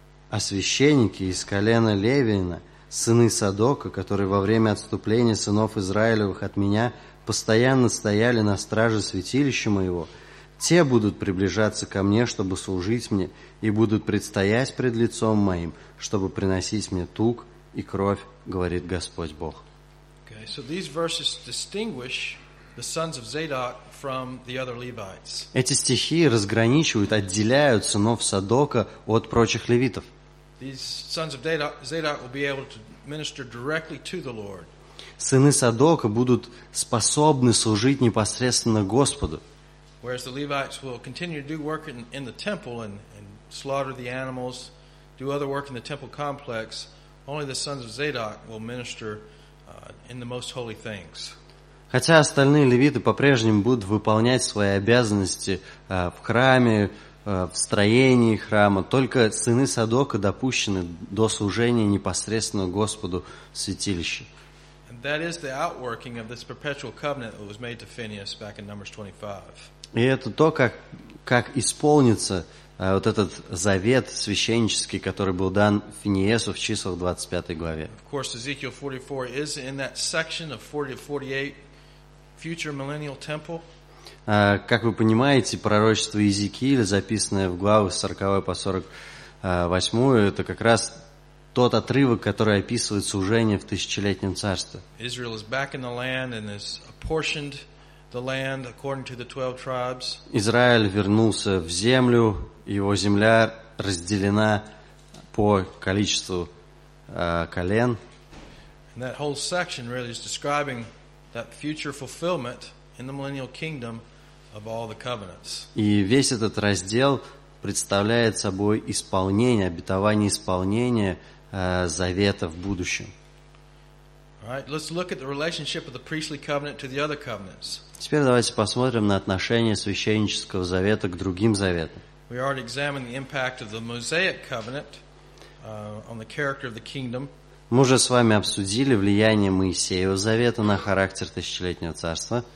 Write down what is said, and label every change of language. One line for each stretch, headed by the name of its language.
Russian: А священники из колена Левиина, сыны Садока, которые во время отступления сынов Израилевых от меня постоянно стояли на страже святилища моего, те будут приближаться ко мне, чтобы служить мне, и будут предстоять пред лицом моим, чтобы приносить мне тук и кровь, говорит Господь Бог.
English: Okay, so these verses distinguish the sons of Zadok from the other Levites.
Russian: Эти стихи разграничивают, отделяют сынов Садока от прочих левитов.
English: These sons of Zadok will be able to minister directly to the Lord.
Russian: Сыны Садока будут способны служить непосредственно Господу.
English: Whereas the Levites will continue to do work in the temple and slaughter the animals, do other work in the temple complex, only the sons of Zadok will minister in the most holy things.
Russian: Хотя остальные левиты по-прежнему будут выполнять свои обязанности в храме, в строении храма, только сыны Садока допущены до служения непосредственно Господу в святилище.
English: And that is the outworking of this perpetual covenant that was made to Phinehas back in Numbers 25.
Russian: И это то, как исполнится вот этот завет священнический, который был дан Финиесу в числах 25 главе.
English: Of course, Ezekiel 44 is in that section of 40 to 48 future millennial temple.
Russian: Как вы понимаете, пророчество Иезекииля, записанное в главах 40 по 48, это как раз тот отрывок, который описывает служение в тысячелетнем царстве.
English: Israel is back in the land and is apportioned the land according to the 12 tribes.
Russian: Израиль вернулся в землю, его земля разделена по количеству колен.
English: And that whole section really is describing that future fulfillment in the millennial kingdom of all the covenants.
Russian: И весь этот раздел представляет собой исполнение, обетование исполнения завета в будущем.
English: All right, let's look at the relationship of the priestly covenant to the other covenants.
Russian: Теперь давайте посмотрим на отношение священнического завета к другим заветам.
English: We already examined the impact of the Mosaic covenant on the character of the kingdom.
Russian: Мы уже с вами обсудили влияние Моисеева завета на характер тысячелетнего царства.